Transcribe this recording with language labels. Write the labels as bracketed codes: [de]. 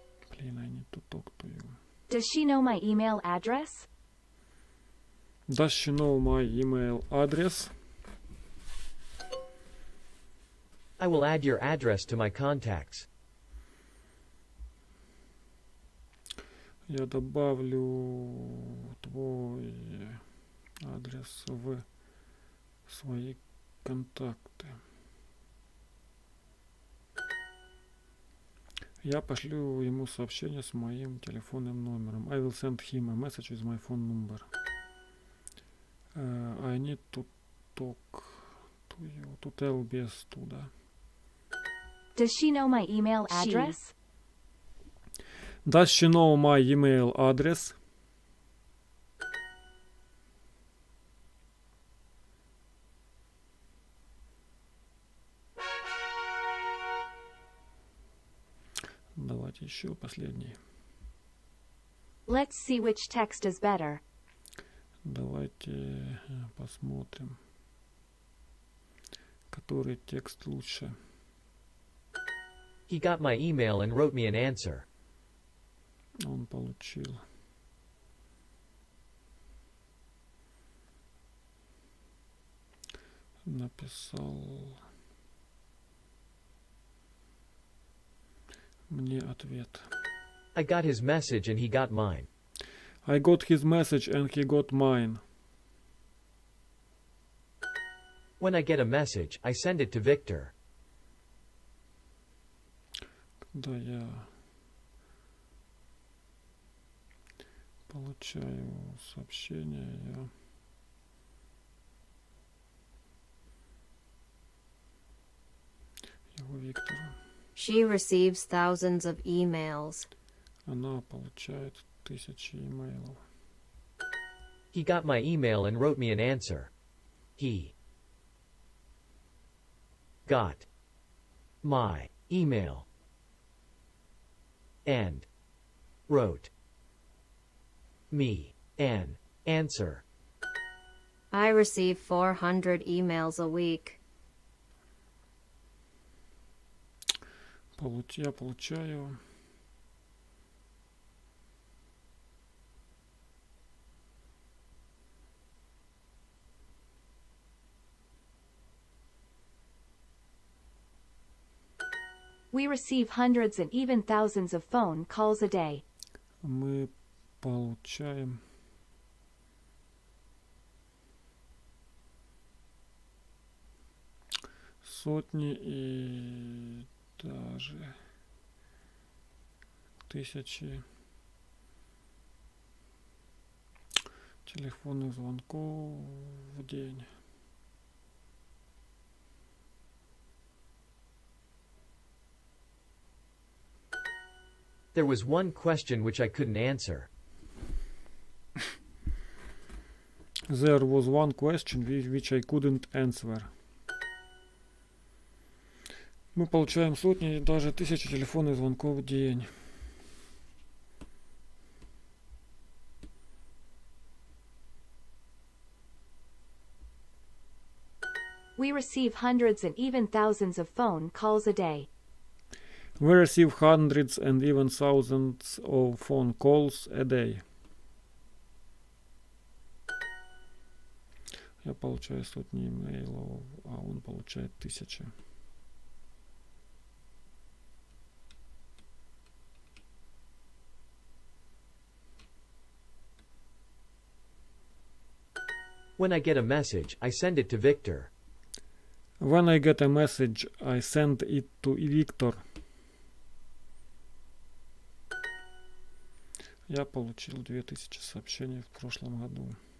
[ru] Блин, [en] I need to talk to you. Does she know my email address? Does she know my email address? I will add your address to my contacts. [ru] Я добавлю твой адрес в свои контакты. Я пошлю ему сообщение с моим телефонным номером. [en] I will send him a message with my phone number. I need to talk to you, to tell [ru] без туда. [en] Does she know my email address? She. Does she know my email address? [ru] Давайте еще последний. [en] Let's see which text is better. [ru] Давайте посмотрим, который текст лучше. [en] He got my email and wrote me an answer. [ru] Он получил. Написал мне ответ. [en] I got his message and he got mine. I got his message and he got mine. When I get a message, I send it to Victor. [ru] Да, я получаю сообщение, я его Виктору. [en] She receives thousands of emails. [ru] Она получает тысячи имейлов. [en] He got my email and wrote me an answer. He got my email and wrote me an answer. I receive 400 emails a week. [ru] Я получаю [en] 100s and even thousands of phone calls a day. [ru] Мы получаем сотни и даже тысячи телефонных звонков в день. [en] There was one question which I couldn't answer. There was one question which I couldn't answer. [ru] Мы получаем сотни и даже тысячи телефонных звонков в день. [en] We receive hundreds and even thousands of phone calls a day. We receive hundreds and even thousands of phone calls a day. [ru] Я получаю сотни имейлов, а он получает тысячи. [en] When I get a message, I send it to Victor. When I get a message, I send it to Victor. [ru] Я получил 2000 сообщений в прошлом году.